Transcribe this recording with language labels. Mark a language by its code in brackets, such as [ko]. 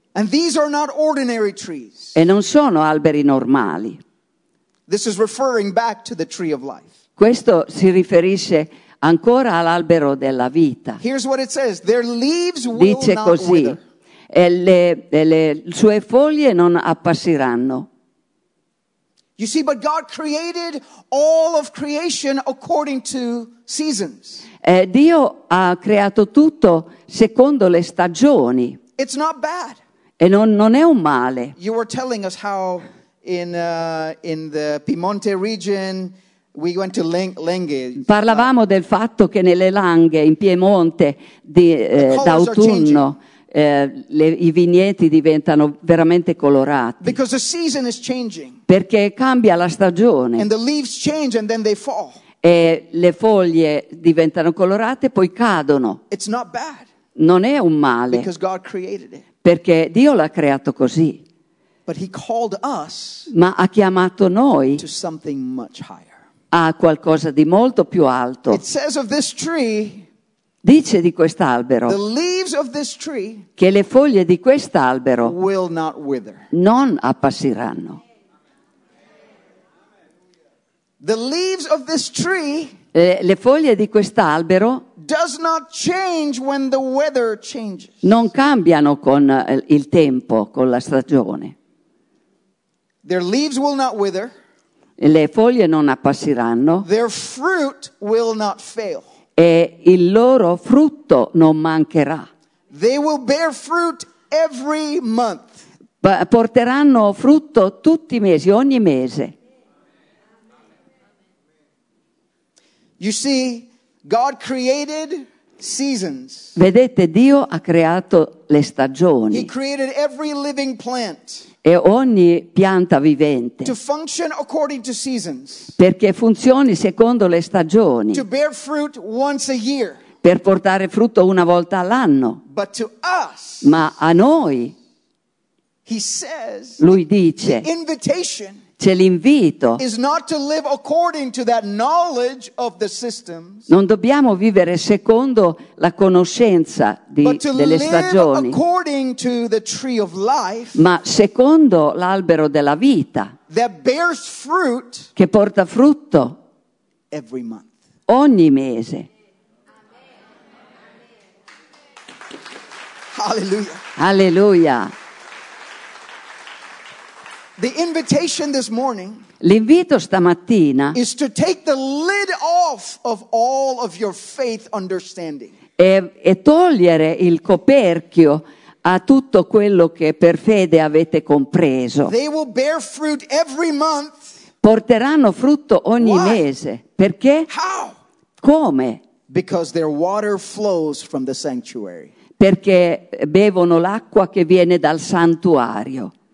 [en] And these are not ordinary trees. [it] E non sono alberi normali. [en] This is referring back to the tree of life. [it] Questo si riferisce ancora all'albero della vita. [en] Here's what it says. Their leaves will [it] dice [en] not [it] così, [en] wither. [it] Le sue foglie non appassiranno. [en] You see, but God created all of creation according to seasons. [it] Dio ha creato tutto secondo le stagioni. [en] It's not bad. [it] E non è un male. [en] You were telling us how in the Piemonte region we went to Langhe. [it] Parlavamo del fatto che nelle Langhe in Piemonte d'autunno i vigneti diventano veramente colorati. [en] Because the season is changing. [it] Perché cambia la stagione. [en] And the leaves change and then they fall. [it] E le foglie diventano colorate e poi cadono. [en] It's not bad. [it] Non è un male. [en] Because God created it. [it] Perché Dio l'ha creato così. [en] But he called us, [it] ma ha chiamato noi [en] to something much higher. [it] A qualcosa di molto più alto. [en] It says of this tree, [it] dice di quest'albero, [en] the leaves of this tree, [it] che le foglie di quest'albero [en] will not wither. [it] Non appassiranno. [en] The leaves of this tree, [it] le foglie di quest'albero, [en] does not change when the weather changes. [it] Non cambiano con il tempo, con la stagione. [en] Their leaves will not wither. [it] le foglie non appassiranno. [en] Their fruit will not fail. [it] E il loro frutto non mancherà. [en] They will bear fruit every month. [it] Porteranno frutto tutti i mesi, ogni mese. [en] You see, God created seasons. [it] Vedete, Dio ha creato le stagioni. [en] He created every living plant. [it] E ogni pianta vivente. [en] To function according to seasons. [it] Perché funzioni secondo le stagioni. [en] To bear fruit once a year. [it] Per portare frutto una volta all'anno. [en] But to us, [it] ma a noi, [en] he says, [it] lui dice, [en] the invitation, [it] c'è l'invito. [en] Is not to live according to that knowledge of the systems, [it] non dobbiamo vivere secondo la conoscenza delle stagioni, [en] according to the tree of life, [it] ma secondo l'albero della vita, [en] that bears fruit, [it] che porta frutto [en] every month, [it] ogni mese. [en] Hallelujah. [it] Alleluia. [en] The invitation this morning, [it] l'invito stamattina, [en] is to take the lid off of all of your faith understanding. [it] E togliere il coperchio a tutto quello che per fede avete compreso. [en] They will bear fruit every month. [it] Porteranno frutto ogni [en] What? [it] Mese. Perché? [en] How? [it] Come? [en] Because their water flows from the sanctuary. [it] Perché bevono l'acqua che viene dal santuario.